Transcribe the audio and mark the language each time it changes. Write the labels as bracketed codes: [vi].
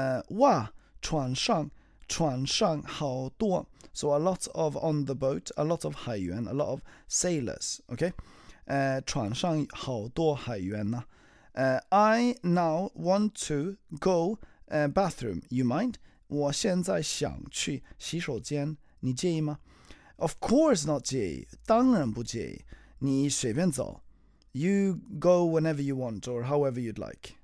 [zh] 哇, 船上好多。 [en] So a lot of on the boat, a lot of 海员, a lot of sailors, okay? [zh] 船上好多海员呢。 [en] I now want to go bathroom, you mind? [zh] 我现在想去洗手间,你介意吗? [en] Of course not 介意, [zh] 当然不介意, 你随便走, [en] you go whenever you want or however you'd like.